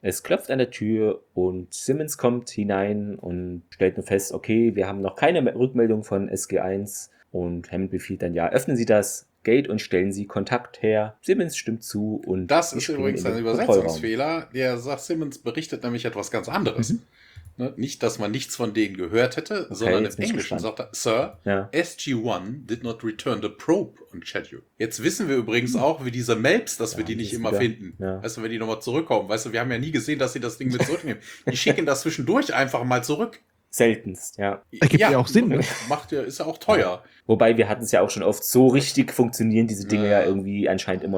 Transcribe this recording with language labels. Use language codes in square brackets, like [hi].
[de] Es klopft an der Tür und Simmons kommt hinein und stellt nur fest, okay, wir haben noch keine Rückmeldung von SG-1 und Hammond befiehlt dann, ja, öffnen Sie das Gate und stellen Sie Kontakt her. Simmons stimmt zu und das ist übrigens ein Übersetzungsfehler. Der sagt, Simmons berichtet nämlich etwas ganz anderes. Mhm. Ne? Nicht, dass man nichts von denen gehört hätte, okay, sondern im Englischen sagt er, Sir, ja. [en] SG-1 did not return the probe on schedule. [de] Jetzt wissen wir übrigens auch, wie diese Melps, dass wir die nicht immer finden. Ja. Weißt du, wenn die nochmal zurückkommen. Weißt du, wir haben ja nie gesehen, dass sie das Ding mit zurücknehmen. Die schicken das zwischendurch einfach mal zurück. Seltenst, ja. Ergibt ja auch Sinn. Macht ja, ist ja auch teuer. Ja. Wobei, wir hatten es ja auch schon oft, so richtig funktionieren diese Dinge ja irgendwie anscheinend immer